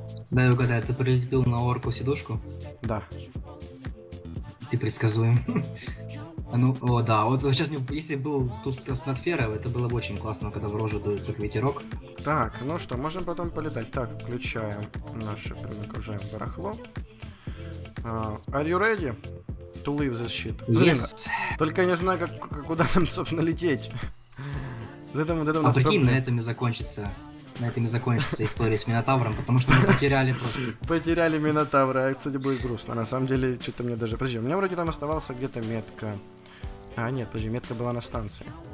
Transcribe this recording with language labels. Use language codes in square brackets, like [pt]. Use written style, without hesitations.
[ru] Дай угадаю, ты прилетел на орку-сидушку? Да. Ты предсказуем. Ну, о, да, вот сейчас, если бы был тут атмосфера, это было бы очень классно, когда в рожу дует как ветерок. Так, ну что, можем потом полетать. Так, включаем наше, прям окружаем барахло. [en] Are you ready to leave this shit? [ru] Блин, [en] yes. [ru] Только я не знаю, как куда там, собственно, лететь. Это а прикинь, на этом и закончится история с Минотавром, потому что мы потеряли просто. Потеряли Минотавра, кстати, будет грустно. На самом деле, что-то мне даже... Подожди, у меня вроде там оставался где-то метка. А, нет, подожди, метка была на станции.